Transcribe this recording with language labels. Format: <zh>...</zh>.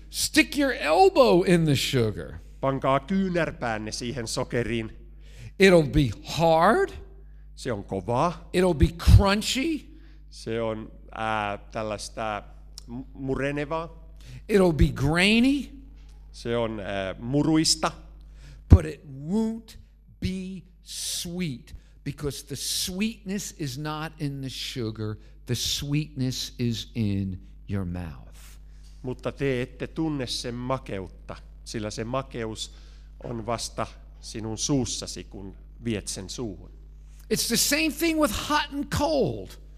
<en>Stick your elbow in the sugar.</en> <fi>Pankaa kyynärpäänne siihen sokeriin.</fi> <en>It'll be hard.</en> <fi>Se on kovaa.</fi> <en>It'll be crunchy.</en> <fi>Se on tällaista murenevaa.</fi> <en>It'll be grainy.</en> <fi>Se on muruista.</fi> <en>But it won't be sweet, because the sweetness is not in the sugar, the sweetness is in your mouth.</en> <fi>Mutta te ette tunne sen makeutta, sillä se makeus on vasta sinun suussasi, kun viet sen suuhun.</fi> <en>It's the same thing with hot and cold.</en>